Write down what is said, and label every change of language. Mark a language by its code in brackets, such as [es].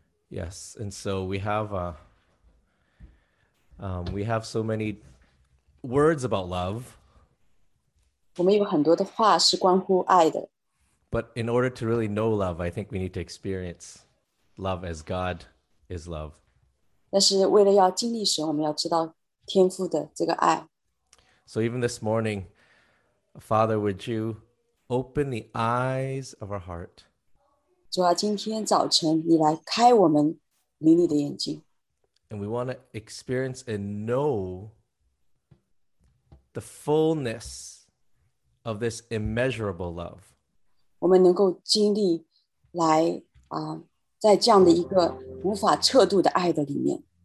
[en] Yes, and so we have so many words about love. [zh] 我们有很多的话是关乎爱的。 [en] But in order to really know love, I think we need to experience love as God is love. [zh] 但是为了要经历神，我们要知道天父的这个爱。 [en] So even this morning, Father, would you open the eyes of our heart? [zh] 主啊，今天早晨你来开我们灵里的眼睛。 [en] And we want to experience and know the fullness of this immeasurable love. [zh] 我们能够经历来在这样的一个无法测度的爱的里面。